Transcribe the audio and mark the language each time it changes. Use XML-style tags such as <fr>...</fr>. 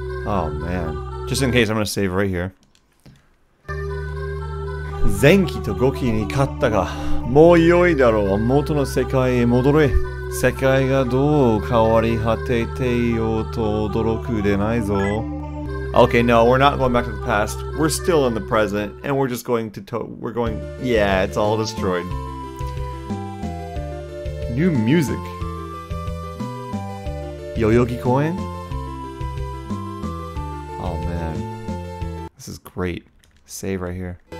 <en>Oh, man. Just in case, I'm gonna save right here.</en> <ja>前期と5期に勝ったが、もう良いだろう。元の世界へ戻れ。世界がどう変わり果てていようと驚くでないぞ。Okay,</ja> <en>no, we're not going back to the past. We're still in the present, and we're just going to we're going... Yeah, it's all destroyed. New music.</en> <ja>代々木公園?</ja> <en>Oh, man. This is great. Save right here.</en>